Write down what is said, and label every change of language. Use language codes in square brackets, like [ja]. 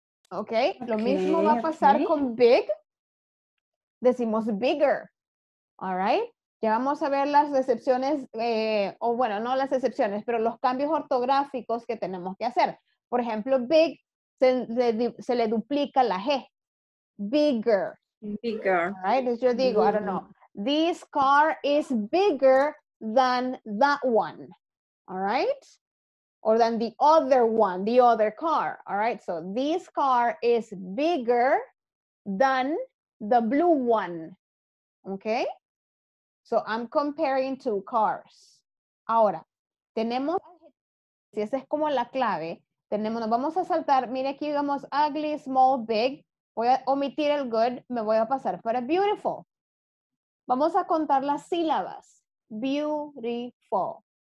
[es] Okay, lo mismo va a pasar con big. Decimos bigger. All right. Ya vamos a ver las excepciones, no las excepciones, pero los cambios ortográficos que tenemos que hacer. Por ejemplo, big, se le duplica la G. [en] Bigger. Bigger. All right, [es] yo digo, [en] bigger. I don't know. This car is bigger than that one. All right? Or than the other one, the other car. All right, so this car is bigger than the blue one. Okay? So I'm comparing two cars. [es] Ahora, tenemos, si esa es como la clave, tenemos, nos vamos a saltar, mire aquí digamos ugly, small, big, voy a omitir el good, me voy a pasar para beautiful. Vamos a contar las sílabas. Beautiful.